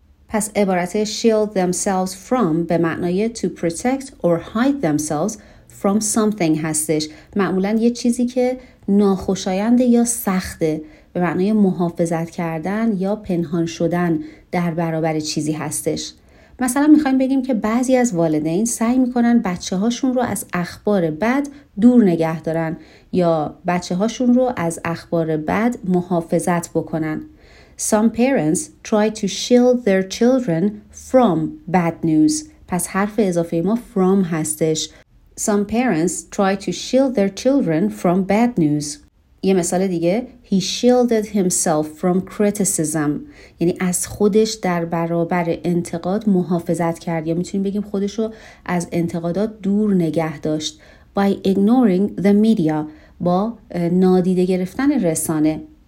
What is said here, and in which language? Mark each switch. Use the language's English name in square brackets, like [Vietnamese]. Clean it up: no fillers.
[Persian] پس عبارت [English] shield themselves from [Persian] به معنای [English] to protect or hide themselves from something [Persian] هستش، معمولا یه چیزی که ناخوشایند یا سخته، به معنای محافظت کردن یا پنهان شدن در برابر چیزی هستش. مثلا میخواییم بگیم که بعضی از والدین سعی میکنن بچه هاشون رو از اخبار بد دور نگه دارن یا بچه هاشون رو از اخبار بد محافظت بکنن. [English] Some parents try to shield their children from bad news. [Persian] پس حرف اضافه ما from هستش. [English] Some parents try to shield their children from bad news. [Persian] یه مثال دیگه، [English] he shielded himself from criticism، [Persian] یعنی از خودش در برابر انتقاد محافظت کرد یا میتونیم بگیم خودشو از انتقادات دور نگه داشت. [English] By ignoring the media، [Persian] با نادیده گرفتن رسانه.